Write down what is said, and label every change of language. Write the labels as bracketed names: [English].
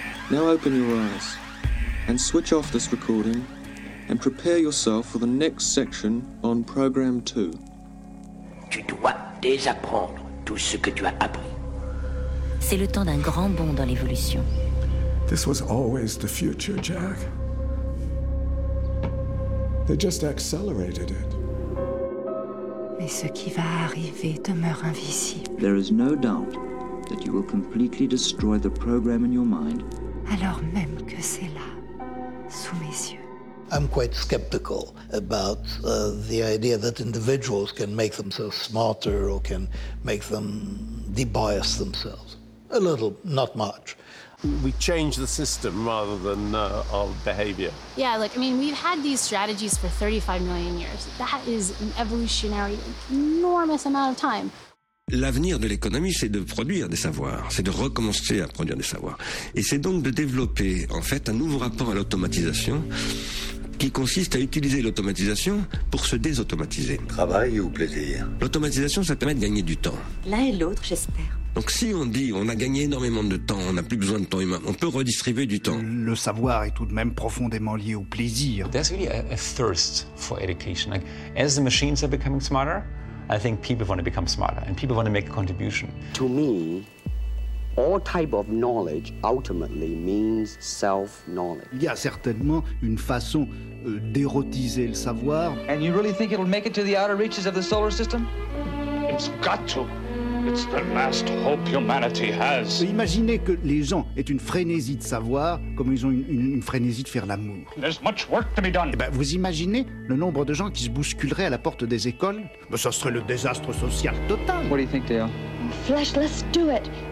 [English] Now open your eyes and switch off this recording and prepare yourself for the next section on program 2. [French] Tu dois désapprendre tout ce que tu as appris. C'est le temps d'un grand bond dans l'évolution. [English] This was always the future, Jack. They just accelerated it. [French] Mais ce qui va arriver demeure invisible. [English] There is no doubt that you will completely destroy the program in your mind. [French] Alors même que c'est là, sous mes yeux. [English] I'm quite skeptical about the idea that individuals can make themselves smarter or can make them debias themselves. A little, not much. We change the system rather than our behavior. Yeah, look, I mean, we've had these strategies for 35 million years. That is an evolutionary, enormous amount of time. [French] L'avenir de l'économie, c'est de produire des savoirs, c'est de recommencer à produire des savoirs. Et c'est donc de développer, en fait, un nouveau rapport à l'automatisation qui consiste à utiliser l'automatisation pour se désautomatiser. Travail ou plaisir ? L'automatisation, ça permet de gagner du temps. L'un et l'autre, j'espère. Donc si on dit on a gagné énormément de temps, on n'a plus besoin de temps humain, on peut redistribuer du temps. Le savoir est tout de même profondément lié au plaisir. [English] There's really a thirst for education. Like, as the machines are becoming smarter, I think people want to become smarter and people want to make a contribution. To me, all type of knowledge ultimately means self-knowledge. [French] Il y a certainement une façon d'érotiser le savoir. [English] And you really think it'll make it to the outer reaches of the solar system? It's got to. It's the last hope humanity has. [French] Imaginez que les gens aient une frénésie de savoir comme ils ont une frénésie de faire l'amour. [English] There's much work to be done. [French] Et ben, vous imaginez le nombre de gens qui se bousculeraient à la porte des écoles? Ben, ça serait le désastre social total. [English] What do you think, Dale? Flesh, let's do it.